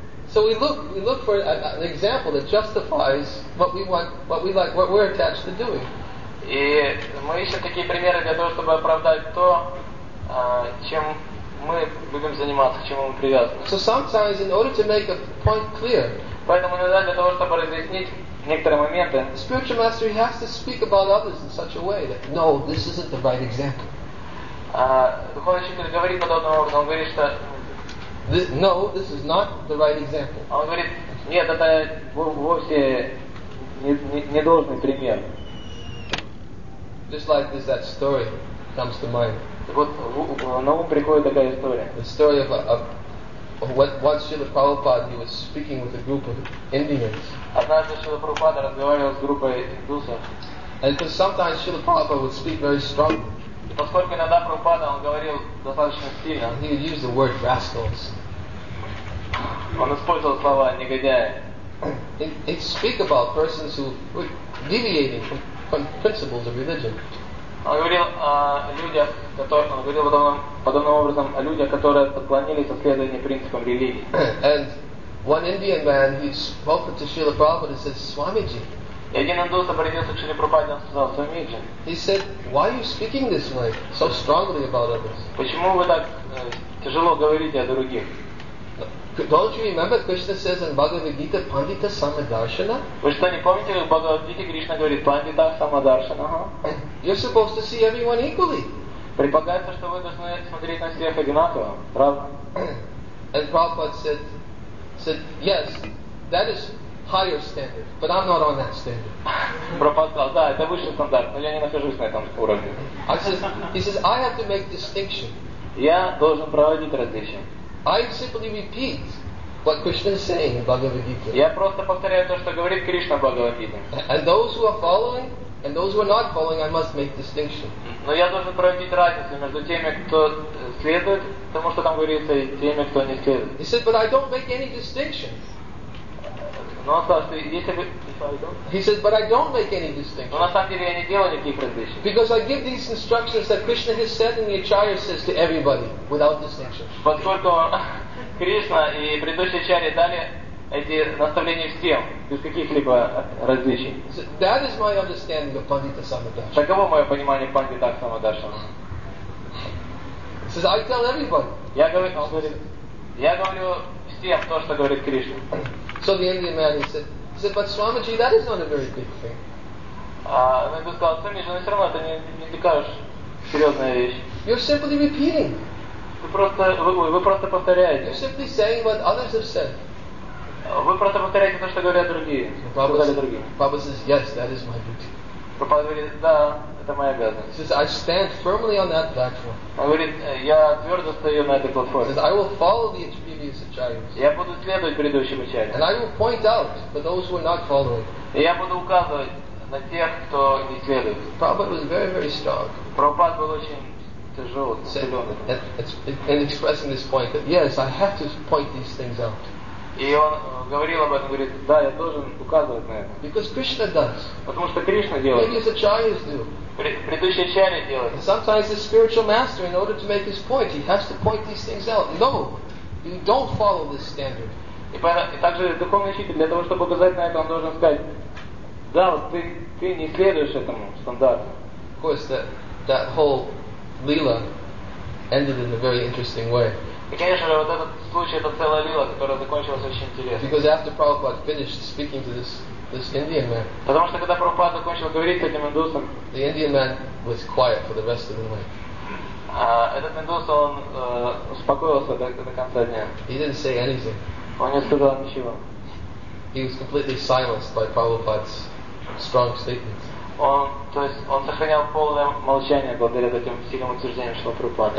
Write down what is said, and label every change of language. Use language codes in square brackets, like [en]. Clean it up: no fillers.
[en] So we look for an example that justifies what we want, what we like, what we're attached to doing. [ru] И мы ищем такие примеры для того, чтобы оправдать то, чем мы будем заниматься, к чему мы привязаны. [en] So sometimes, in order to make a point clear, [ru] поэтому иногда для того, чтобы разъяснить некоторые моменты, [en] spiritual master has to speak about others in such a way that no, this isn't the right example. [ru] Духовный учитель говорит подобным образом, он говорит, что [en] no, this is not the right example. [ru] Он говорит, нет, это вовсе не должный пример. [en] Just like this, that story comes to mind. [ru] Вот на ум приходит такая история. [en] The story of once Srila Prabhupada, he was speaking with a group of Indians. [ru] Однажды Шрила Прабхупада разговаривал с группой индусов. [en] And because sometimes Srila Prabhupada would speak very strongly. [ru] Поскольку иногда Прабхупада он говорил достаточно сильно. [en] He would use the word rascals. [ru] Он использовал слова негодяи. [en] He'd speak about persons who were deviating from principles of religion. [ru] Он говорил о людях, которые он говорил подобным образом о людях, которые отклонились от следования принципам религии. [en] And one Indian man, he spoke to Srila Prabhupada and said, Swamiji. [ru] И один индус обратился к Шриле Прабхупаде и сказал, Swamiji. [en] He said, why are you speaking this way so strongly about others? [ru] Почему вы так тяжело говорите о других? [en] Don't you remember Krishna says in Bhagavad Gita, Pandita Samadarshana? [ru] Вы что, не помните, как в Bhagavad Gita Krishna говорит, Pandita Samadarshana? [en] You're supposed to see everyone equally. [ru] Предполагается, что вы должны смотреть на всех одинаково, правда? [en] And Prabhupada said, yes, that is higher standard, but I'm not on that standard. [ru] Prabhupada сказал, да, это высший стандарт, но я не нахожусь на этом уровне. [en] He says, I have to make distinction. [ru] Я должен проводить различие. [en] I simply repeat what Krishna is saying in Bhagavad Gita. [ru] Я просто повторяю то, что говорит Кришна в Бхагавад Гите. [en] And those who are following and those who are not following, I must make distinction. [ru] Но я должен проводить разницу между теми, кто следует тому, что там говорится, и теми, кто не следует. [en] He said, but I don't make any distinction. [ru] Но он сказал, что если бы... [en] He said, but I don't make any distinction. [ru] Но на самом деле я не делаю никаких различий. [en] Because I give these instructions that Krishna has said and the Acharya says to everybody without distinction. [ru] Поскольку Кришна и предыдущие Ачарьи дали эти наставления всем, без каких-либо различий. [en] So that is my understanding of Pandita Samadarshana. [ru] Таково мое понимание Пандита Самадаршана. [en] He says, I tell everybody. [ru] Я говорю всем то, что говорит Кришна. [en] So the Indian man, he said, but Swamiji, that is not a very big thing. You're simply repeating. You're simply saying what others have said. Prabhupada says, yes, that is my duty. [ru] Это моя обязанность. [en] He says, I stand firmly on that platform. [ru] Он говорит, я твердо стою на этой платформе. [en] He says, I will follow the previous acharyas. [ru] Я буду следовать предыдущим acharyas. [en] And I will point out for those who are not following. [ru] И я буду указывать на тех, кто не следует. [en] Prabhupada was very, very strong. [ru] Прабхупад был очень тяжелый, силен. [en] And expressing this point that yes, I have to point these things out. [ru] И он говорил об этом, говорит, да, я должен указывать на это. [en] Because Krishna does. [ru] Потому что Кришна делает. [en] Maybe the acharyas do. [ru] Предыдущие чари делают. [en] And sometimes the spiritual master, in order to make his point, he has to point these things out. No, you don't follow this standard. [ru] И также духовный учитель для того, чтобы указать на это, он должен сказать: да, вот ты не следуешь этому стандарту. [en] Of course, that whole lila ended in a very interesting way. [ru] И конечно же, вот этот случай, это целая лила, которая закончилась очень интересно. [en] Because after Prabhupada finished speaking to this Indian man. [ru] Потому что когда Прабхупада закончил говорить с этим индусом, [en] the Indian man was quiet for the rest of the night. [ru] Этот Мендоса, он успокоился до конца дня. [en] He didn't say anything. [ru] Он не сказал ничего. [en] He was completely silenced by Prabhupada's strong statement. [ru] Он сохранял полное молчание благодаря этим сильным утверждениям, что Прабхупада.